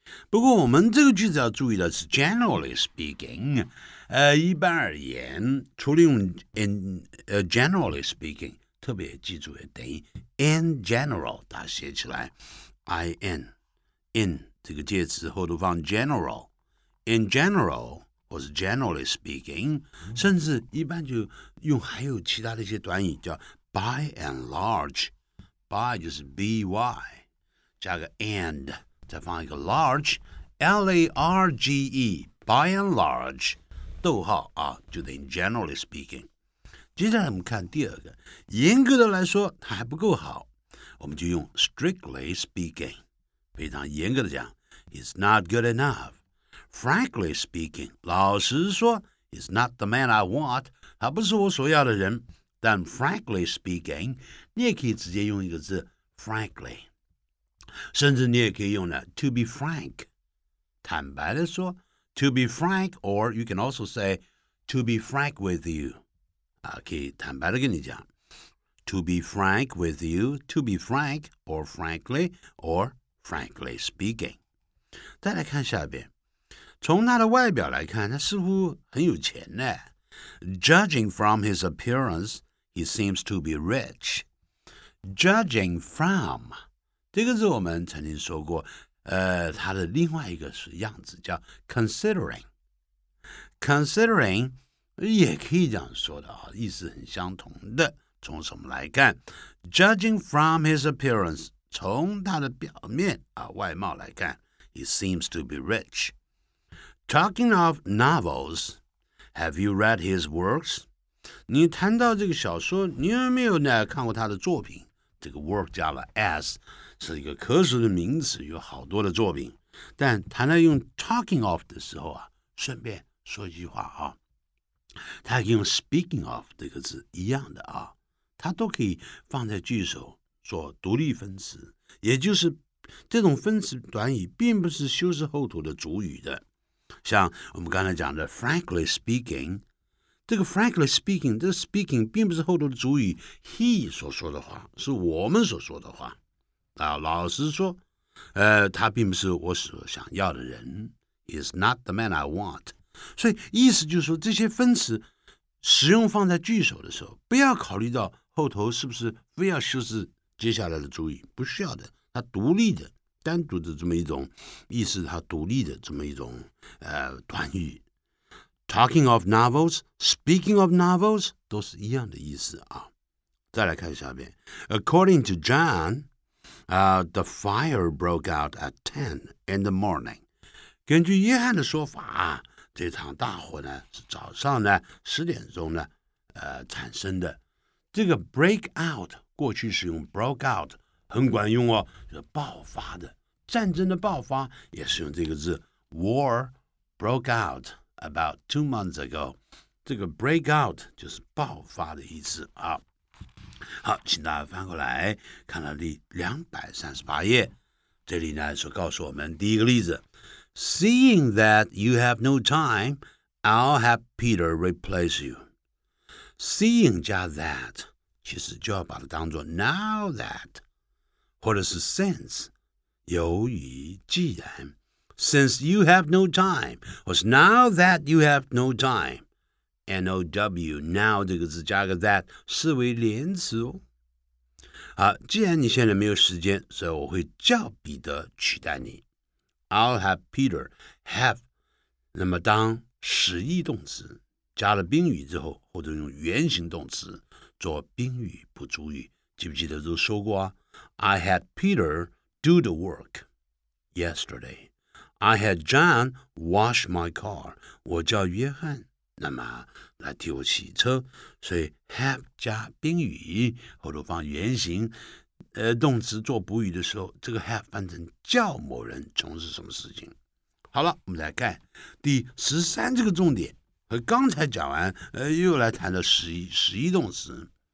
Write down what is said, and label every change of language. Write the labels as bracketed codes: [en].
[zh] 不过我们这个句子要注意的是 [en] generally speaking， [zh] 一般而言，除了用 in generally speaking， 特别记住也等于 [en] in general， [zh] 它写起来 in in 这个介词后头放 general， in general 或是 generally speaking， 甚至一般就用还有其他的一些短语叫 [en] by and large， [zh] by 就是 by 加个 and。再放一个 large， L-A-R-G-E， [en] by and large， [zh] 逗号啊，就等于 generally speaking。接下来我们看第二个，严格的来说它还不够好，我们就用 [en] strictly speaking， [zh] 非常严格的讲 ， [en] it's not good enough。 Frankly speaking， [zh] 老实说 [en] ，it's not the man I want， [zh] 他不是我所要的人。但 [en] frankly speaking， [zh] 你也可以直接用一个字 frankly。甚至你也可以用呢 [en] to be frank， [zh] 坦白的说 [en] to be frank， or you can also say to be frank with you， 啊， [zh] 可以坦白的跟你讲 [en] to be frank with you， to be frank or frankly or frankly speaking。 [zh] 再来看下边，从他的外表来看，他似乎很有钱呢。 [en] Judging from his appearance， he seems to be rich。 Judging from [zh] 这个字我们曾经说过，它的另外一个是样子叫 considering， considering 也可以这样说的啊，意思很相同的。从什么来看？ [en] Judging from his appearance， [zh] 从他的表面啊外貌来看， [en] he seems to be rich。 Talking of novels， have you read his works？ [zh] 你谈到这个小说，你有没有呢看过他的作品？这个 work 加了 s，是一个可数的名词，有好多的作品。但谈到用 [en] talking of [zh] 的时候啊，顺便说一句话啊，它跟用 [en] speaking of [zh] 这个字一样的啊，它都可以放在句首做独立分词，也就是这种分词短语并不是修饰后头的主语的。像我们刚才讲的 [en] frankly speaking， [zh] 这个 frankly speaking， 这个 speaking 并不是后头的主语 he 所说的话，是我们所说的话啊，老实说，他并不是我所想要的人 ， [en] is not the man I want。 [zh] 所以意思就是说，这些分词使用放在句首的时候，不要考虑到后头是不是非要修饰接下来的主语，不需要的。它独立的、单独的这么一种意思，它独立的这么一种短语。 [en] Talking of novels, speaking of novels [zh] 都是一样的意思啊。再来看下边 [en] ，According to John。 The fire broke out at 10 in the morning. [zh] 根据约翰的说法，这场大火呢是早上呢10点钟呢产生的。这个 [en] break out [zh] 过去使用 [en] broke out [zh] 很管用哦，就是爆发的，战争的爆发也是用这个字 [en] war broke out about 2 months ago。 [zh] 这个 [en] break out [zh] 就是爆发的意思啊。好，请大家翻过来看到238页，这里呢所告诉我们第一个例子 [en] Seeing that you have no time, I'll have Peter replace you. Seeing 加 that [zh] 其实就要把它当作 [en] now that 或者是 since [zh] 由于既然 [en] Since you have no time 或是 now that you have no timeNOW, now 这个字加个 that, [zh] 视为连词哦。好，既然你现在没有时间，所以我会叫彼得取代你。 [en] I'll have Peter have, [zh] 那么当实义动词加了宾语之后，或者用原形动词做宾语补足语，记不记得都说过啊？ [en] I had Peter do the work yesterday. I had John wash my car. [zh] 我叫约翰。那么来替我洗车，所以 have 加宾语后头放原形动词做补语的时候，这个 have 翻成叫某人从事什么事情。好了，我们来看第13这个重点，和刚才讲完又来谈到实义动词。